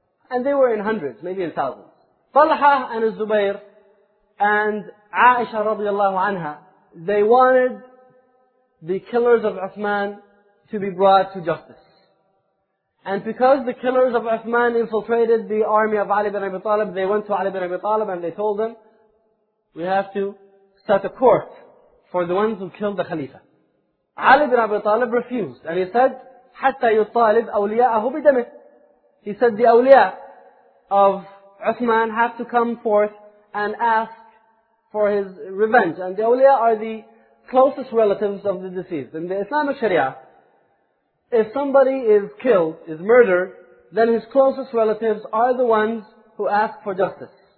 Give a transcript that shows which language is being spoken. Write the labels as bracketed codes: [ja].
[en] And they were in hundreds, maybe in thousands. Talha and Zubayr and Aisha radiallahu anha, they wanted the killers of Uthman to be brought to justice. And because the killers of Uthman infiltrated the army of Ali ibn Abi Talib, they went to Ali ibn Abi Talib and they told him, we have to set a court for the ones who killed the Khalifa. Ali ibn Abi Talib refused. And he said, [ar] حتى يطالب أولياءه بدمه. [en] He said, the awliya of Uthman have to come forth and ask for his revenge. And the awliya are the closest relatives of the deceased. In the Islamic Sharia, if somebody is killed, is murdered, then his closest relatives are the ones who ask for justice.